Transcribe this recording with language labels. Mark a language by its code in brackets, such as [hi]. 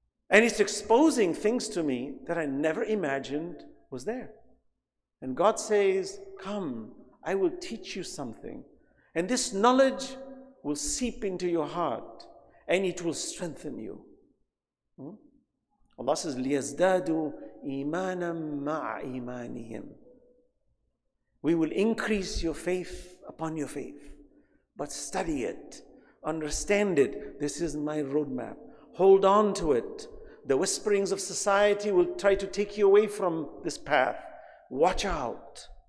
[en] And it's exposing things to me that I never imagined was there. And God says, come, I will teach you something. And this knowledge will seep into your heart and it will strengthen you. Allah says, [ar] لِيَزْدَادُوا إِيمَانًا مَعْ إِيمَانِهِمْ. [en] We will increase your faith upon your faith. But study it. Understand it. This is my roadmap. Hold on to it. The whisperings of society will try to take you away from this path. Watch out.